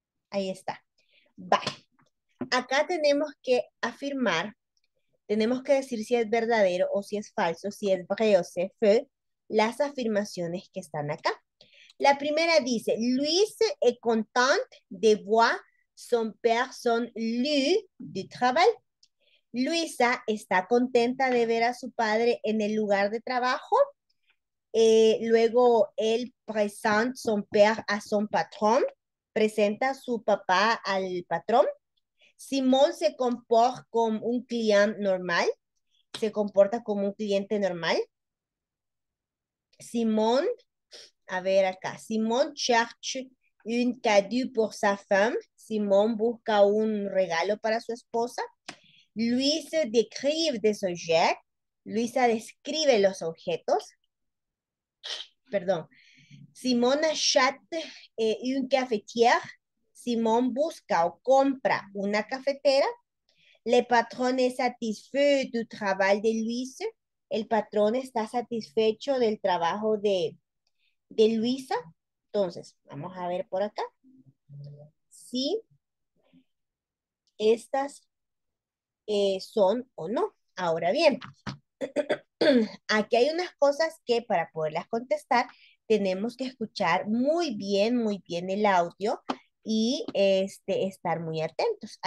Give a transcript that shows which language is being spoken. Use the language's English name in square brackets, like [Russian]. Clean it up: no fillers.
[Spanish] Ahí está. Va. Acá tenemos que afirmar, tenemos que decir si es verdadero o si es falso, si es vrai o si es faux, las afirmaciones que están acá. La primera dice: [French] Louise est contente de voir son père son lieu de travail. [Spanish] Luisa está contenta de ver a su padre en el lugar de trabajo. Luego él presenta son père a son patrón. Presenta a su papá al patrón. Simón se comporta como un cliente normal. Se comporta como un cliente normal. Simón, a ver acá. [French] Simón cherche un cadeau pour sa femme. [Spanish] Simón busca un regalo para su esposa. [French] Luisa describe des objets. [Spanish] Luisa describe los objetos. Perdón. [French] Simón achète une cafetière. [Spanish] Simón busca o compra una cafetera. [French] Le patron est satisfait du travail de Luisa. [Spanish] El patrón está satisfecho del trabajo de Luisa. Entonces, vamos a ver por acá. Sí, estas son o no. Ahora bien, aquí hay unas cosas que para poderlas contestar tenemos que escuchar muy bien el audio y estar muy atentos.